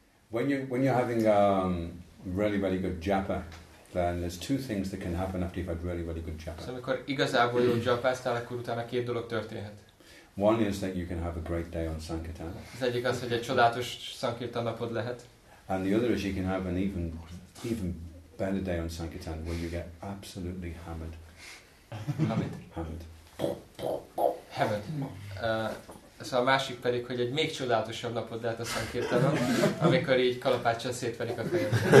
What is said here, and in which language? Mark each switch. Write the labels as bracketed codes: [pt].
[en] When you're having really really good japa, then there's 2 things that can happen after you've had really really good japa. [hu] So amikor igazából jó japáztál, akkor utána 2 dolog történhet. [en] One is that you can have a great day on sankirtan. [hu] Az egyik az, hogy egy csodálatos sankirtan napod lehet. [en] And the other is you can have an even better day on sankirtan where you get absolutely hammered. Hammered. [hu] Szóval a másik pedig, hogy egy még csodálatosabb napod lehet a szankirtanon, amikor így kalapáccsal szétverik a fejed.